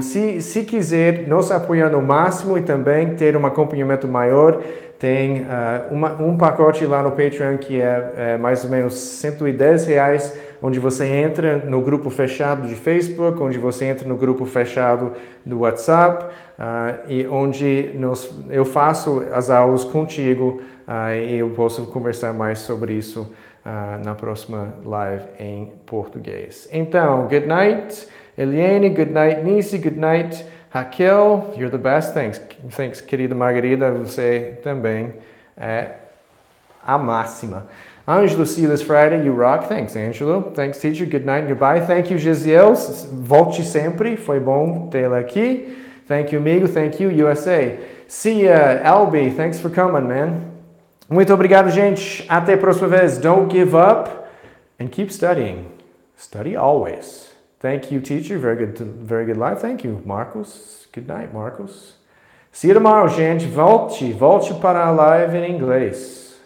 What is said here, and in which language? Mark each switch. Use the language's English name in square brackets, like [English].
[Portuguese] Se quiser nos apoiar no máximo e também ter um acompanhamento maior, tem um pacote lá no Patreon que é mais ou menos R$110, onde você entra no grupo fechado de Facebook, onde você entra no grupo fechado do WhatsApp, e onde eu faço as aulas contigo, e eu posso conversar mais sobre isso na próxima live em português. Então, [English] good night, Eliane, good night, Nisi, good night. Raquel, you're the best, thanks. Thanks, [Portuguese] querida Margarida, você também é a máxima. [English] Angelo, see you this Friday, you rock. Thanks, Angelo. Thanks, teacher, good night, goodbye. Thank you, [Portuguese] Gisiel, volte sempre, foi bom tê-la aqui. [English] Thank you, amigo, thank you, USA. See ya, Albi, thanks for coming, man. [Portuguese] Muito obrigado, gente. Até a próxima vez. [English] Don't give up and keep studying. Study always. Thank you, teacher. Very good life. Thank you, Marcos. Good night, Marcos. See you tomorrow, [Portuguese] gente. Volte para a live em inglês.